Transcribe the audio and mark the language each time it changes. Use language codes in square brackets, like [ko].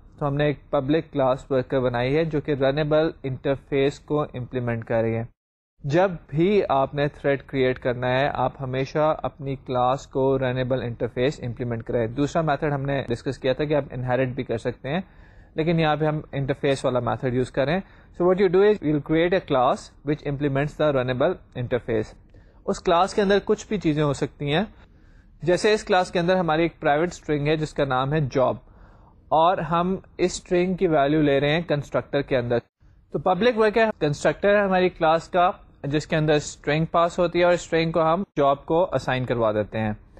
[ur] تو ہم نے ایک پبلک کلاس ورکر بنائی ہے جو کہ رنیبل انٹرفیس کو امپلیمنٹ کر رہی ہے. جب بھی آپ نے تھریڈ کریٹ کرنا ہے آپ ہمیشہ اپنی کلاس کو رنیبل انٹرفیس امپلیمنٹ کریں. دوسرا میتھڈ ہم نے ڈسکس کیا تھا کہ آپ انہیریٹ بھی کر سکتے ہیں, لیکن یہاں پہ ہم انٹرفیس والا میتھڈ یوز کریں. [en] So what you do is you create a class which implements the runnable interface. [ur] اس class کے اندر کچھ بھی چیزیں ہو سکتی ہیں, جیسے اس کلاس کے اندر ہماری ایک پرائیویٹ اسٹرنگ ہے جس کا نام ہے جاب, اور ہم اس سٹرنگ کی ویلیو لے رہے ہیں کنسٹرکٹر کے اندر. تو پبلک ورک ہے, کنسٹرکٹر ہے ہماری کلاس کا جس کے اندر سٹرنگ پاس ہوتی ہے, اور سٹرنگ کو ہم جاب کو اسائن کروا دیتے ہیں.